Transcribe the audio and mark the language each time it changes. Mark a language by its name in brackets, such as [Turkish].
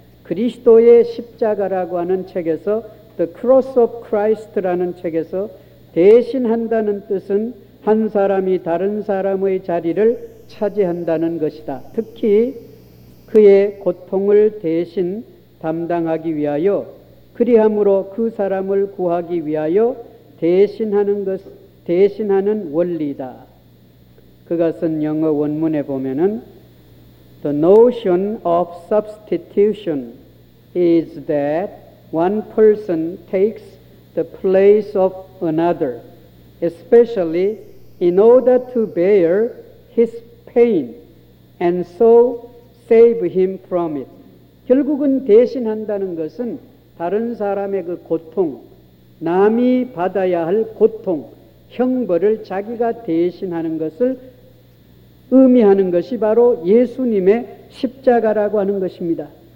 [Korean] 그리스도의 십자가라고 하는 책에서, The Cross of Christ라는 책에서 대신한다는 뜻은 한 사람이 다른 사람의 자리를 차지한다는 것이다. 특히 그의 고통을 대신 담당하기 위하여 그리함으로 그 사람을 구하기 위하여 대신하는 것, 대신하는 원리다. 그것은 영어 원문에 보면은 [English] The notion of substitution is that one person takes the place of another, especially in order to bear his pain and so save him from it. [Korean] 결국은 대신한다는 것은 다른 사람의 그 고통, 남이 받아야 할 고통, 형벌을 자기가 대신하는 것을 의미하는 것이 바로 예수님의 십자가라고 하는 것입니다.